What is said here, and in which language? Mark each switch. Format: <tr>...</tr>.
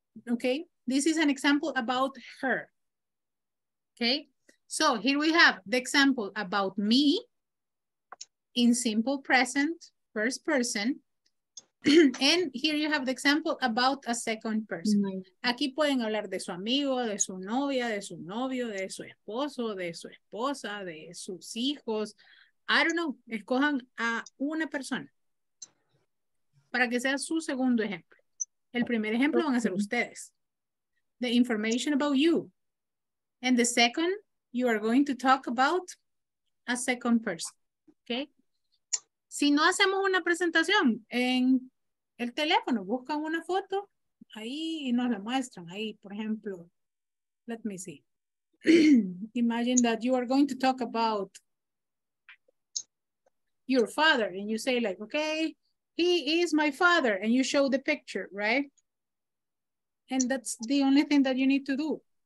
<en>Okay. This is an example about her. Okay. So here we have the example about me in simple present, first person. And here you have the example about a second person.</en> <es>Aquí pueden hablar de su amigo, de su novia, de su novio, de su esposo, de su esposa, de sus hijos.</es> <en>I don't know.</en> <es>Escojan a una persona para que sea su segundo ejemplo. El primer ejemplo van a ser ustedes.</es> <en>The information about you. And the second, you are going to talk about a second person. Okay.</en> <es>Si no hacemos una presentación en el teléfono, buscan una foto ahí y nos la muestran. Ahí, por ejemplo,</es> <en>let me see. Imagine that you are going to talk about your father and you say like, okay, he is my father and you show the picture, right? And that's the only thing that you need to do.</en>